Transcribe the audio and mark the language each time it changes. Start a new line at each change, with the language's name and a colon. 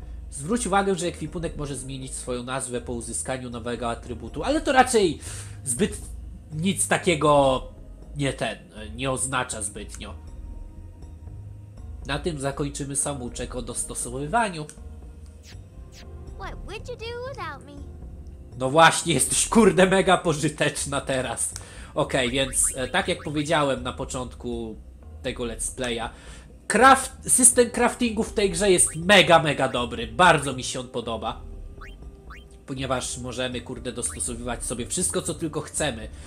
Polish: Zwróć uwagę, że ekwipunek może zmienić swoją nazwę po uzyskaniu nowego atrybutu, ale to raczej zbyt nic takiego nie ten, nie oznacza zbytnio. Na tym zakończymy samouczek o dostosowywaniu.
English: What would you do without me?
Polish: No właśnie, jesteś kurde mega pożyteczna teraz. Okej, więc tak jak powiedziałem na początku tego let's playa, system craftingu w tej grze jest mega, mega dobry. Bardzo mi się on podoba. Ponieważ możemy, kurde, dostosowywać sobie wszystko, co tylko chcemy.